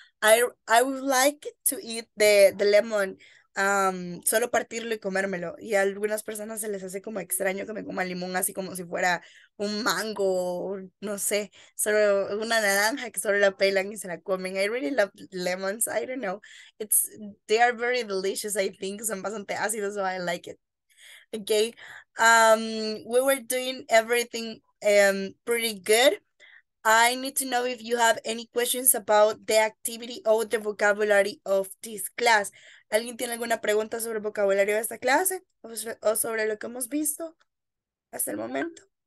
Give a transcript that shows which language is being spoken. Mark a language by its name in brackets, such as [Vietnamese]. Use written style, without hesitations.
[English] I would like to eat the lemon, [Spanish] solo partirlo y comérmelo. Y a algunas personas se les hace como extraño que me coma limón así como si fuera un mango, no sé, solo una naranja que solo la pelan y se la comen. [English] I really love lemons. I don't know. They are very delicious, I think. [Spanish] Son bastante ácidos, [English] so I like it. Okay. We were doing everything pretty good. I need to know if you have any questions about the activity or the vocabulary of this class. [Spanish] ¿Alguien tiene alguna pregunta sobre el vocabulario de esta clase? ¿O sobre lo que hemos visto hasta el momento?